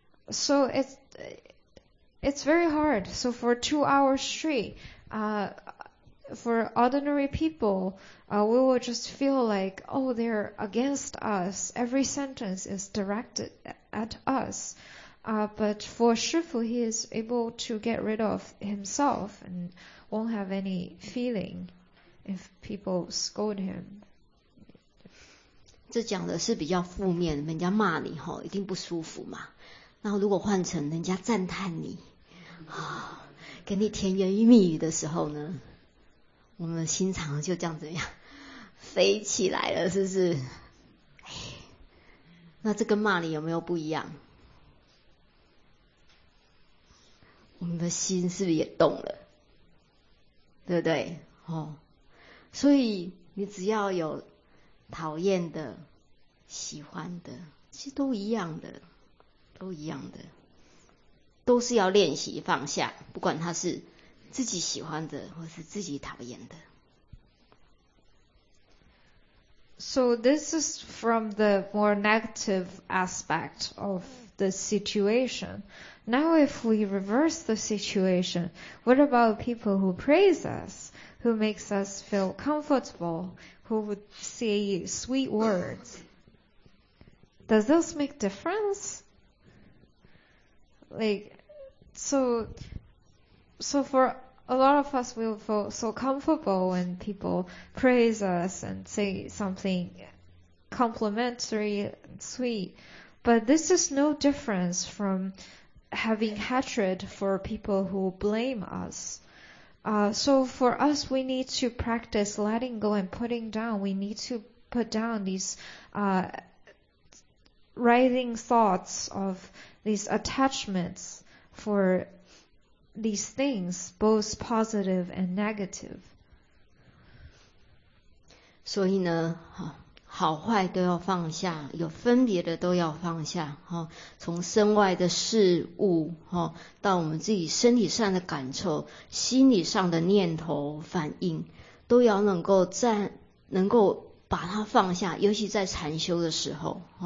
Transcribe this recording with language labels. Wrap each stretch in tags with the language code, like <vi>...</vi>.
<en>So it's very hard. So for 2 hours straight, for ordinary people, we will just feel like, oh, they're against us. Every sentence is directed at us. But for Shifu, he is able to get rid of himself and won't have any feeling if people scold him.</en> <zh>这讲的是比较负面，人家骂你吼，一定不舒服嘛。那如果换成人家赞叹你，啊，给你甜言蜜语的时候呢，我们心肠就这样怎么样，飞起来了，是不是？那这跟骂你有没有不一样？我们的心是不是也动了？对不对？哦，所以你只要有讨厌的、喜欢的，其实都一样的，都一样的，都是要练习放下，不管它是自己喜欢的或是自己讨厌的。</zh> <en>So this is from the more negative aspect of the situation. Now if we reverse the situation, what about people who praise us, who makes us feel comfortable, who would say sweet words? Does this make difference? Like, so for a lot of us, we'll feel so comfortable when people praise us and say something complimentary and sweet. But this is no difference from having hatred for people who blame us. So for us, we need to practice letting go and putting down. We need to put down these rising thoughts of these attachments for these things, both positive and negative.</en> <zh>所以呢，好坏都要放下，有分别的都要放下，从身外的事物，到我们自己身体上的感受，心理上的念头反应，都要能够把它放下，尤其在禅修的时候，</zh>